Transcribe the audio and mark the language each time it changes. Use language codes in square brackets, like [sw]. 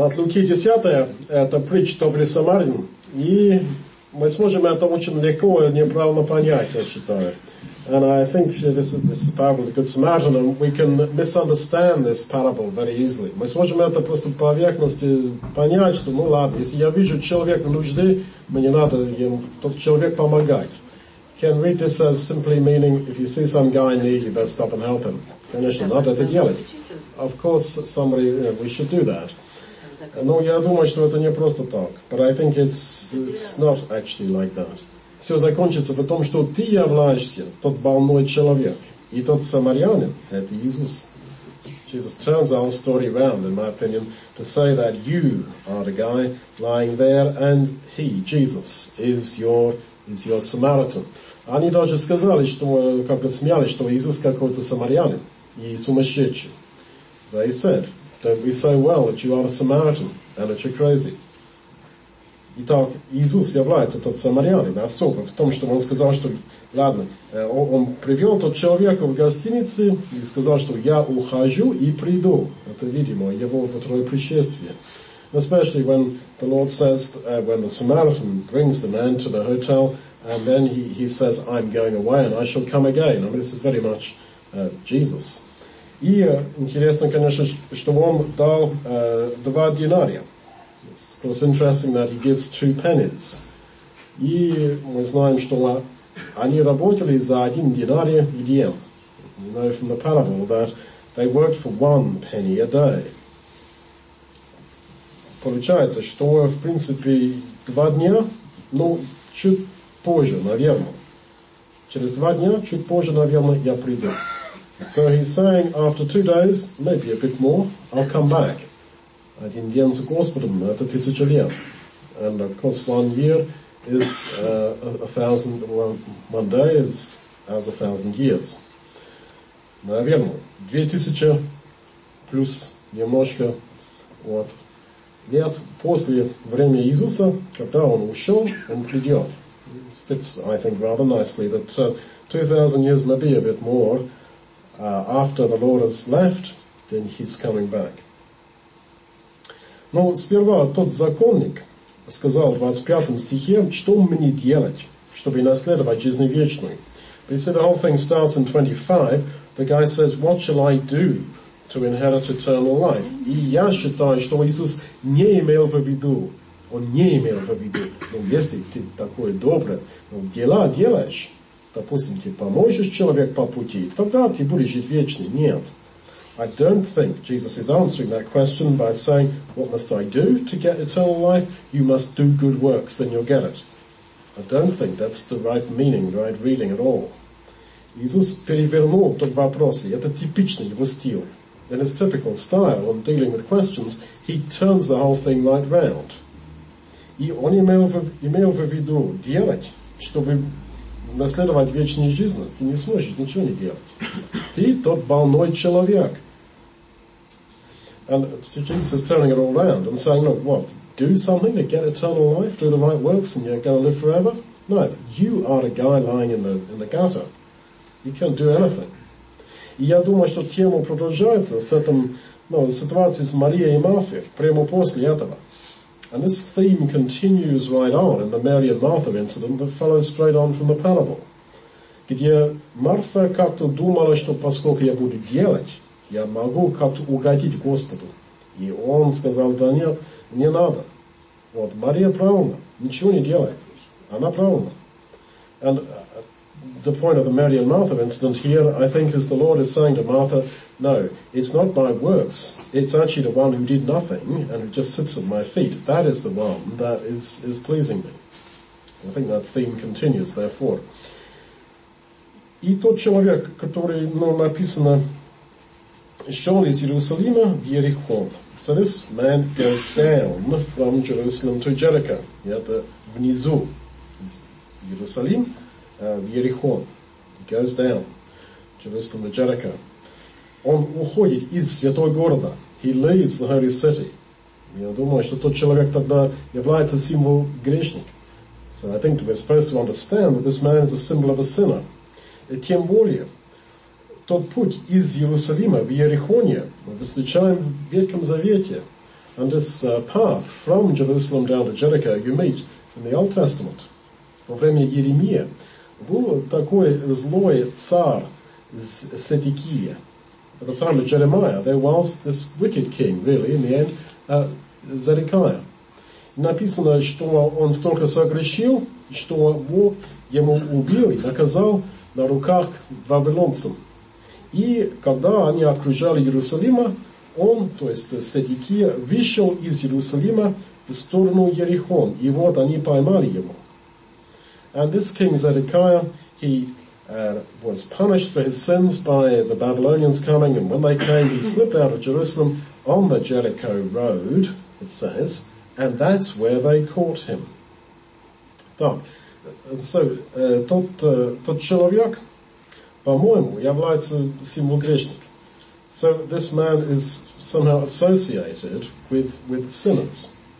[ru] От Луки 10, это притча добрый самарин. И мы сможем это очень легко и неправильно понять, я считаю. [en] And I think this is the parable of the Good Samaritan, and we can misunderstand this parable very easily. [ru] Мы сможем это просто по поверхности понять, что, ну ладно, если я вижу человека в нужде, мне надо ему, тот человек, помогать. [en] Can read this as simply meaning, if you see some guy in need, you better stop and help him. [ru] Конечно, надо это делать. [en] Of course, somebody, you know, we should do that. [ru] Но я думаю, что это не просто так. [en] But I think it's not actually like that. [ru] Все закончится в том, что ты являешься тот больной человек. И тот самарянин, это Иисус. [en] Jesus turns our story around, in my opinion, to say that you are the guy lying there, and he, Jesus, is your Samaritan. [ru] Они даже сказали, что, как бы смеялись, что Иисус какой-то самарянин и сумасшедший. [en] They said, don't be so well that you are a Samaritan and that you're crazy. [ru] Итак, Иисус является тот самарянин, особо в том, что он сказал, что, ладно, он привел тот человека в гостинице и сказал, что я ухожу и приду. Это, видимо, его второе пришествие. [en] Especially when the Lord says, when the Samaritan brings the man to the hotel, and then he says, I'm going away and I shall come again. I mean, this is very much Jesus. [ru] И интересно, конечно, что он дал два динария. [en] It was interesting that he gives two pennies. [ru] И мы знаем, что они работали за один динарий в день. [en] You know from the parable that they worked for one penny a day. [ru] Получается, что в принципе два дня, ну, чуть позже, наверное. Через два дня, чуть позже, наверное, я приду. [en] So he's saying, after 2 days, maybe a bit more, I'll come back. [ru] Один день с Господом – это 1000 лет. [en] And of course, 1 year is a thousand, well, 1 day is as 1000 years. [ru] Наверное, 2000 плюс немножко вот, лет после времени Иисуса, когда он ушел, он придет. [en] It fits, I think, rather nicely that 2000 years, maybe a bit more, after the Lord has left, then he's coming back. [ru] Но сперва тот законник сказал в 25 стихе, что мне делать, чтобы наследовать жизнь вечную. [en] But you see, the whole thing starts in 25. The guy says, what shall I do to inherit eternal life? [ru] И я считаю, что Иисус не имел в виду. Он не имел в виду. Ну, если ты такой добрый, ну, дела делаешь, допустим, ты поможешь человеку по пути, тогда ты будешь жить вечный. Нет. [en] I don't think Jesus is answering that question by saying, what must I do to get eternal life? You must do good works, then you'll get it. I don't think that's the right meaning, the right reading at all. [ru] Иисус перевернул тот вопрос, и это типичный его стиль. [en] In his typical style on dealing with questions, he turns the whole thing right round. [ru] И он имел в виду делать, чтобы наследовать вечную жизнь, ты не сможешь ничего не делать. Ты тот больной человек. [en] And Jesus is turning it all around and saying, look, what, do something to get eternal life, do the right works and you're going to live forever? No, you are the guy lying in the gutter. You can't do anything. [ru] И я думаю, что тема продолжается с этим, ну, ситуацией с Марией и Марфой прямо после этого. [en] And this theme continues right on in the Mary and Martha incident that follows straight on from the parable. [ru] Где Марфа как-то думала, что поскольку я буду делать, я могу как-то угодить Господу. И он сказал, да нет, не надо. Вот, Мария правильна, ничего не делает. Она правильна. [en] And the point of the Mary and Martha incident here, I think, is the Lord is saying to Martha, no, it's not by works. It's actually the one who did nothing and who just sits at my feet. That is the one that is pleasing me. I think that theme continues, therefore. [ru] И тот человек, который, ну, написано, шел из Иерусалима в Иерихон. [en] So this man goes down from Jerusalem to Jericho. [ru] И это внизу из Иерусалима в Иерихон. [en] He goes down to Jerusalem to Jericho. [ru] Он уходит из святой города. [en] He leaves the holy city. [ru] Я думаю, что тот человек тогда является символ грешник. [en] So I think we're supposed to understand that this man is a symbol of a sinner. [ru] И тем более, тот путь из Иерусалима в Иерихоне мы встречаем в Ветхом Завете. [en] And this path from Jerusalem down to Jericho you meet in the Old Testament. [ru] Во время Иеремии был такой злой царь Сидекия. [en] At the time of Jeremiah, there was this wicked king, really, in the end, Zedekiah. [ru] Написано, что он столько согрешил, что Бог ему убил и наказал на руках вавилонцам. И когда они окружали Иерусалима, он, то есть Сидекия, вышел из Иерусалима в сторону Ерихон. И вот они поймали его. [en] And this king Zedekiah, he was punished for his sins by the Babylonians coming. And when they came, he slipped out of Jerusalem on the Jericho road, it says. And that's where they caught him. [ru] Так, so, тот человек, по-моему, является символ грешник. [en] So this man is somehow associated with sinners.